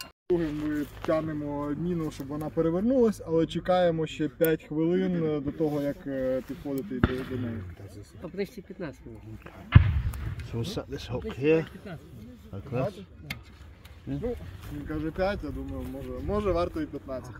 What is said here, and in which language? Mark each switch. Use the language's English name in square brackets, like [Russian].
[Ukrainian] Ми тягнемо міну, щоб вона перевернулася, але чекаємо ще 5 хвилин до того, як підходити до неї. Поближче 15 хвилин. [English] So we'll set this hook here, like this. Yeah. [Ukrainian] Ну, він каже 5, я думаю, може варто і 15.